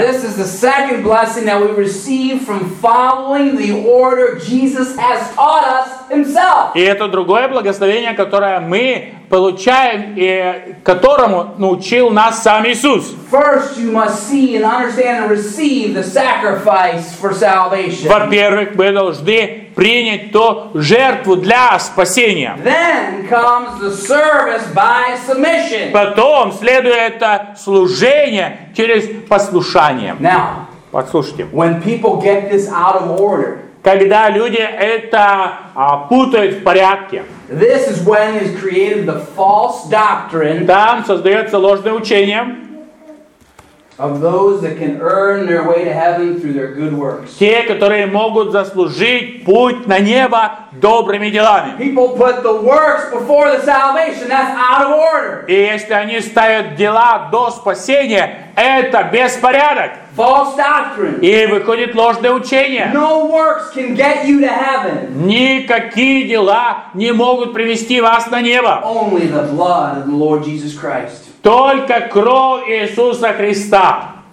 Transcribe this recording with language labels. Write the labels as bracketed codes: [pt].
[en] This is the second blessing that we receive from following the order Jesus has taught us himself. [ru] И это другое благословение, которое мы получаем и которому научил нас сам Иисус. [en] First you must see and understand and receive the sacrifice for salvation. [ru] Во-первых, мы должны принять ту жертву для спасения. [en] Then comes the service by submission. [ru] Потом следует служение через послушание. [en] Now, [ru] послушайте. [en] When people get this out of order, [ru] когда люди это путают в порядке, [en] this is when is created the false doctrine, [ru] там создается ложное учение. [en] Of those that can earn their way to heaven through their good works. [ru] Те, которые могут заслужить путь на небо добрыми делами. [en] People put the works before the salvation. That's out of order. [ru] И если они ставят дела до спасения, это беспорядок. [en] False doctrine. [ru] И выходит ложное учение. [en] No works can get you to heaven. [ru] Никакие дела не могут привести вас на небо. [en] Only the blood of the Lord Jesus Christ. [ru] Только кровь Иисуса Христа.